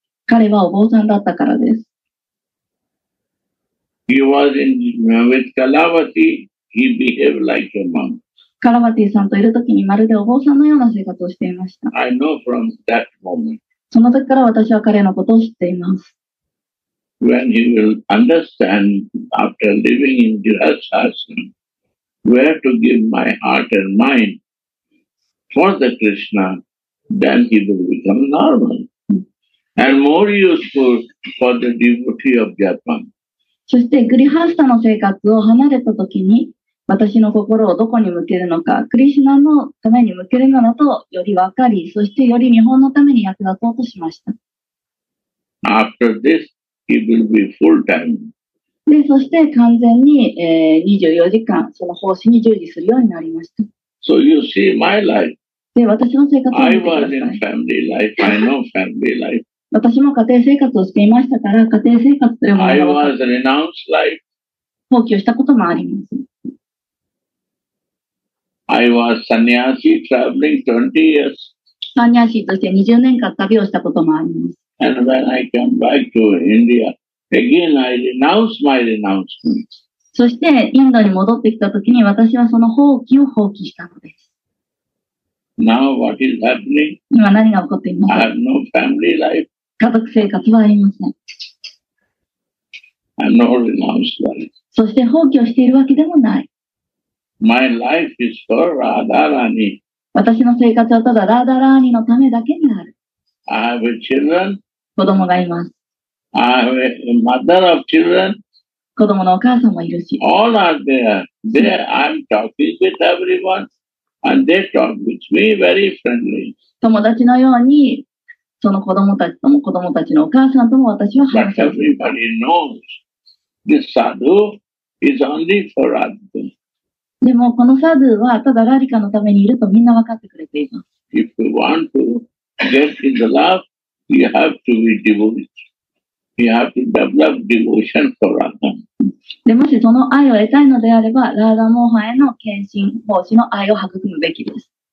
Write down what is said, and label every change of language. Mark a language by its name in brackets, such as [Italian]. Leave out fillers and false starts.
[Japanese] 彼はお坊さんだったからです。 [English] He was in with Kalavati. He behaved like a monk. [Japanese] カラバティさんといるときにまるでお坊さんのような生活をしていました。 [English] I know from that moment. [Japanese] その時から私は彼のことを知っています。 [English] When he will understand after living in Grihastha, where to give my heart and mind for the Krishna, then he will become normal and more useful for the devotee of Japan. [Japanese] そしてグリハスタの生活を離れたときに、私の心をどこに向けるのか、クリシナのために向けるのだとより分かり、そしてより日本のために役立とうとしました。 [English] After this,He will be full-time. [Japanese] で、そして完全に、24時間その奉仕に従事するようになりました。 [English] So you see my life. [Japanese] で、私の生活を見てください。 [English] I know family life. [Japanese] 私も家庭生活をしていましたから、家庭生活というもの [English] を。I was renounced life. [Japanese] 放棄をしたこともあります。 [English] I was sannyasi traveling 20 years. [Japanese] サンニャーシーとして20年間旅をしたこともあります。 [English] And when I come back to India, again I renounce my renouncement. [Japanese] そしてインドに戻ってきたときに私はその放棄を放棄したのです。 [English] Now what is happening? [Japanese] 今何が起こっていますか? [English] I have no family life. [Japanese] 家族生活はありません。 [English] I'm not renounced by it. [Japanese] そして放棄をしているわけでもない。 [English] My life is for Radharani. [Japanese] 私の生活はただラダラーニのためだけにある。 [English] I have children. [Japanese] 子供がいます。 [English] I have a mother of children. [Japanese] 子供のお母さんもいるし。 [English] All are there. There I'm talking with everyone. And they talk with me very friendly. [Japanese] 友達のように、その子供たちとも子供たちのお母さんとも私は話します。 [English] But everybody knows this sadhu is only for Radha. [Japanese] でもこのサドゥはただラリカのためにいるとみんな分かってくれています。 [English] If you want to,Get in the love, you have to be devoted. You have to develop devotion for Radha. [Japanese] でもしその愛を得たいのであれば、ラーダモーハへの献身奉仕の愛を育むべきです。